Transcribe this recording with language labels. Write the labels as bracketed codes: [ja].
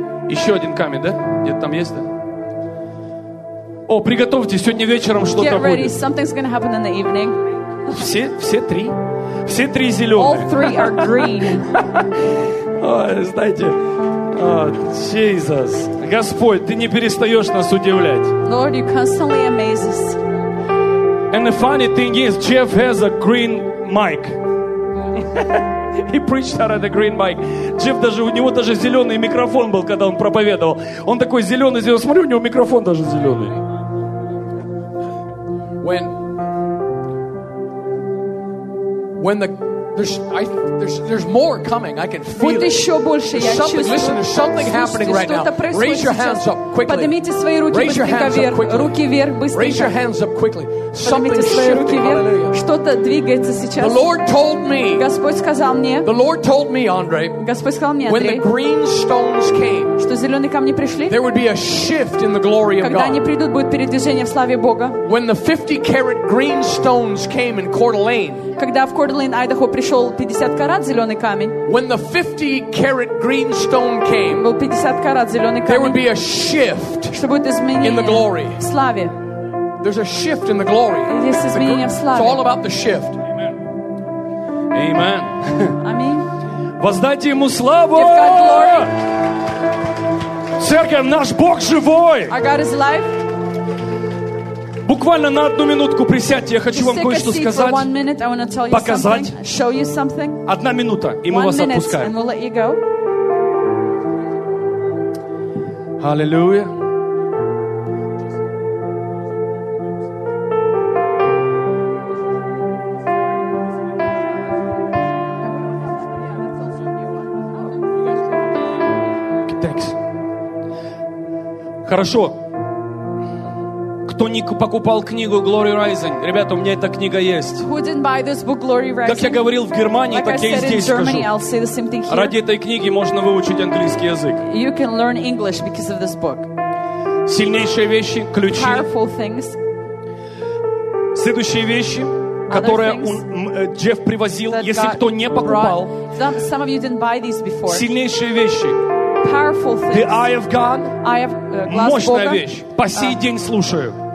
[ru] Еще один камень, да? Где-то там есть, да? О, приготовьтесь, сегодня вечером что-то будет. [en] Something's gonna happen in the evening. [ru] Все три. Все три зеленые. [en] All three are green. [ru] Ой, знаете, Jesus. Господь, ты не перестаешь нас удивлять. [en] Lord, you constantly amaze us. And the funny thing is, Jeff has a green mic. He preached out of the green mic. [ru] Джефф даже, у него даже зеленый микрофон был, когда он проповедовал. Он такой зеленый, смотри, у него микрофон даже зеленый. [en] When there's more coming, I can feel it. There's something happening right now. Raise your hands up quickly. Raise your hands up quickly. Something's shifting. [ru] Что-то двигается сейчас. [en] The Lord told me, Andre. [ru] Господь сказал мне, [en] when the green stones came, [ru] что зеленые камни пришли, [en] there would be a shift in the glory of God. [ru] Когда они придут, будет передвижение в славе Бога. [en] When the 50-carat green stones came in Coeur d'Alene, [ru] когда в Coeur d'Alene, Айдахо, пришел 50 карат зеленый камень, [en] when the 50-carat green stone came, [ru] был 50 карат зеленый камень, [en] there would be a shift in the glory. [ru] Славе. [en] There's a shift in the glory. It's all about the shift. Amen. Amen. [ru] Воздайте ему славу. [en] Give God glory. [ru] Церковь, наш Бог живой. [en] Our God is alive. [ru] Буквально на одну минутку присядьте. Я хочу [en] just [ru] вам кое-что сказать. Показать. [en] Show you something. [ru] Одна минута, и мы вас отпускаем. [en] And we'll let you go. Hallelujah. [ru] Хорошо. Кто не покупал книгу Glory Rising? Ребята, у меня эта книга есть. [en] Who didn't buy this book, Glory Rising? [ru] Как я говорил в Германии, [en] like [ru] так я и здесь [en] Germany, [ru] скажу. Ради этой книги можно выучить английский язык. [en] You can learn English because of this book. [ru] Сильнейшие вещи, ключи. [en] Powerful things. [ru] Следующие вещи, которые Джефф привозил, если кто не покупал. [en] Some of you didn't buy these before. [ru] Сильнейшие вещи. [en] Powerful things. The eye of God. [ru] Мощная Бога. Вещь. По сей день слушаю.